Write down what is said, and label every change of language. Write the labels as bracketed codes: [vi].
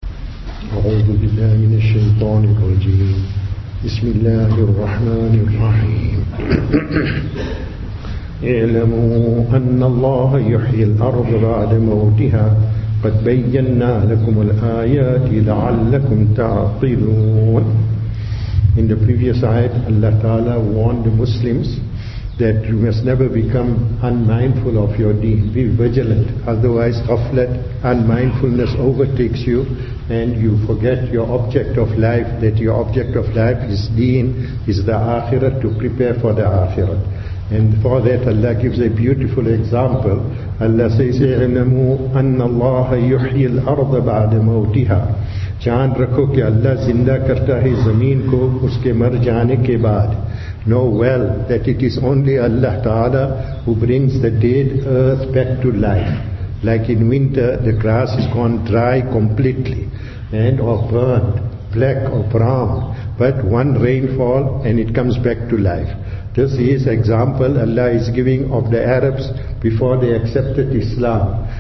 [ar] أعوذ بالله من الشيطان الرجيم. بسم الله الرحمن الرحيم. اعلموا أن الله يحيي الأرض بعد موتها قد بينا لكم الآيات لعلكم تعقلون. [en] In the previous ayat, Allah Ta'ala warned the Muslims that you must never become unmindful of your deen. Be vigilant, otherwise ghaflat, unmindfulness overtakes you and you forget your object of life, that your object of life is deen, is the akhirah, to prepare for the akhirah. And for that Allah gives a beautiful example. Allah says, [ar] اعلموا أن الله يحيي الأرض بعد موتها. [ur] جان رکھو کہ اللہ زندہ کرتا ہے زمین کو اس کے مر جانے کے بعد. [en] Know well that it is only Allah Ta'ala who brings the dead earth back to life. Like in winter, the grass is gone dry completely and or burnt, black or brown. But one rainfall and it comes back to life. This is example Allah is giving of the Arabs before they accepted Islam.